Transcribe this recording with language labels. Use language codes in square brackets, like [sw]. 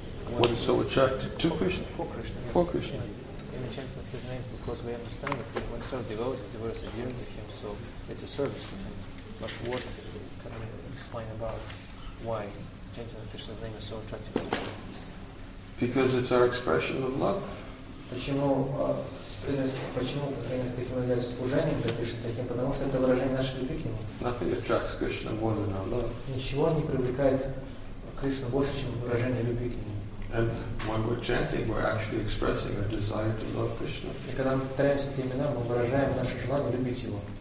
[en] What is so attractive to Krishna? For Krishna. For Krishna. In the chanting of his names, because we understand that we want to serve devotees are dear to him, so it's a service to him. But what can we explain about why chanting of Krishna's name is so attractive to Krishna? Because it's our expression of love. [ru] Почему почему является служением для Кришны таким? Потому что это выражение нашей любви к нему. [en] Nothing attracts Krishna more than our love. [ru] Ничего не привлекает Кришну больше, чем выражение любви к нему. [en] And when we're chanting, we're actually expressing our desire to love Krishna. [ru] И когда мы повторяемся эти имена, мы выражаем наше желание любить его.